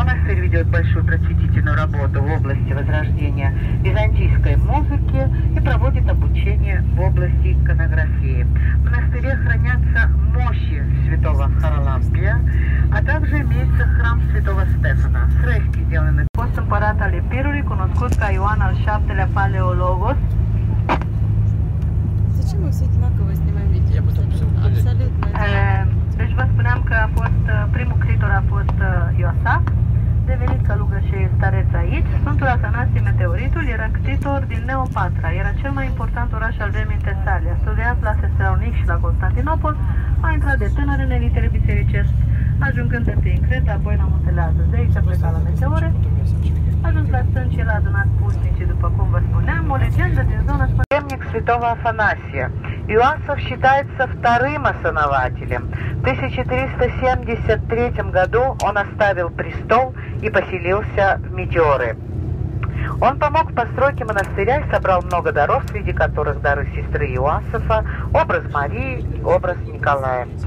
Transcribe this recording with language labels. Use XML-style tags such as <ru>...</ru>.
<ru>Монастырь ведет большую просветительную работу в области возрождения византийской музыки и проводит обучение в области иконографии. В монастыре хранятся мощи святого Харалампия, а также имеется храм святого Стефана. Фрески сделаны.</ru> <ro>Fost împărat al Epirului, cunoscut ca Ioan al VII-lea Paleologos.</ro> <ru>Зачем мы все одинаково снимаем эти? Я потом все абсолютно.</ru> <ro>Deci vă spuneam că a fost primul ctitor a fost Iosaf, devenit călugăr și stareț aici. Sfântul Atanasie Meteoritul era ctitor din Neopatra, era cel mai important oraș al vremii Tesalia. Studiat la Thessalonic și la Constantinopol, a intrat de tânăr în elitele bisericești, ajungând întâi în Creta, apoi la Muntele Azos. De aici a plecat la meteore, a ajuns la stânci, el a adunat pustnici, după cum vă spuneam, o legendă din zona spune...</ro> <ru>Ремник святого Афанасия. Иоасов считается вторым основателем. В 1373 году он оставил престол и поселился в Метеоры. Он помог в постройке монастыря и собрал много даров, среди которых дары сестры Иоасова, образ Марии и образ Николая.</ru>